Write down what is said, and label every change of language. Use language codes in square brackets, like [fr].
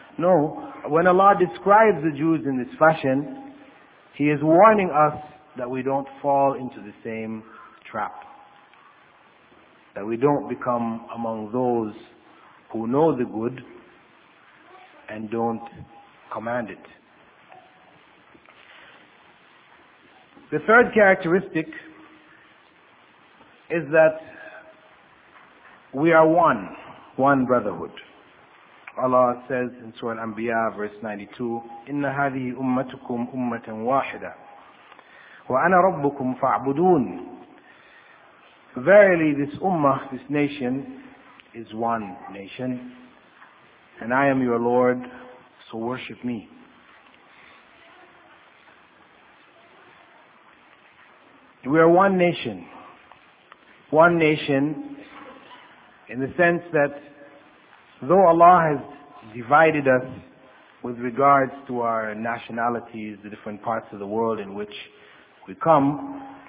[en] No, when Allah describes the Jews in this fashion, He is warning us that we don't fall into the same trap, that we don't become among those who know the good and don't command it. The third characteristic is that we are one, one brotherhood. Allah says in Surah Al-Anbiya, verse 92, [ar] إِنَّ هَذِهِ أُمَّتُكُمْ أُمَّةً وَاحِدًا وَأَنَا رَبُّكُمْ فَاعْبُدُونَ. [en] Verily this ummah, this nation, is one nation, and I am your Lord, so worship me. We are one nation. One nation in the sense that though Allah has divided us with regards to our nationalities, the different parts of the world in which we come,